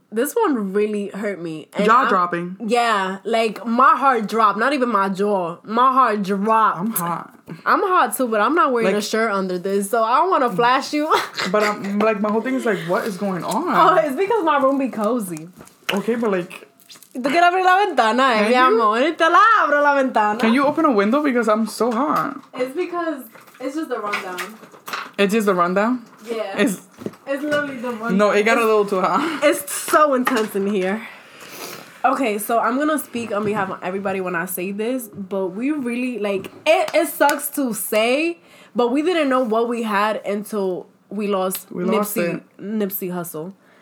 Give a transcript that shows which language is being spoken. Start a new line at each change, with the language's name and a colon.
English: This one really hurt me. Jaw dropping. Yeah, like my heart dropped. Not even my jaw. My heart dropped. I'm hot too, but I'm not wearing a shirt under this, so I don't want to flash you. But I'm like, my whole thing is like, what is going on? Oh, it's because my room be cozy. Okay, but like,
Spanish: ¿Tú quieres abrir la ventana, mi amor? Te la abro la ventana.
English: Can you open a window? Because I'm so hot. It's because it's just the rundown. It's just the rundown? Yeah. It's literally the rundown. No, it got a little too hot. It's so intense in here. Okay, so I'm going to speak on behalf of everybody when I say this, but we really, like, it sucks to say, but we didn't know what we had until we lost, Nipsey Hussle.